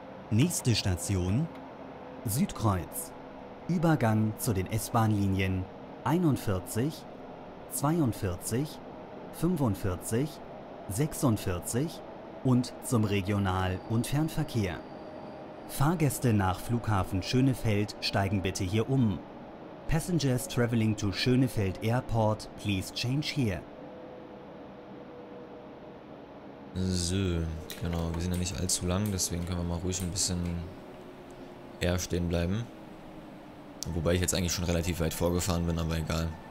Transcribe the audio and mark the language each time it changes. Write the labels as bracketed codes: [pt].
[de] Nächste Station, Südkreuz. Übergang zu den S-Bahn-Linien 41, 42, 45, 46 und zum Regional- und Fernverkehr. Fahrgäste nach Flughafen Schönefeld steigen bitte hier um. [en] Passengers traveling to Schönefeld Airport, please change here. [de] So, genau, wir sind ja nicht allzu lang, deswegen können wir mal ruhig ein bisschen eher stehen bleiben. Wobei ich jetzt eigentlich schon relativ weit vorgefahren bin, aber egal.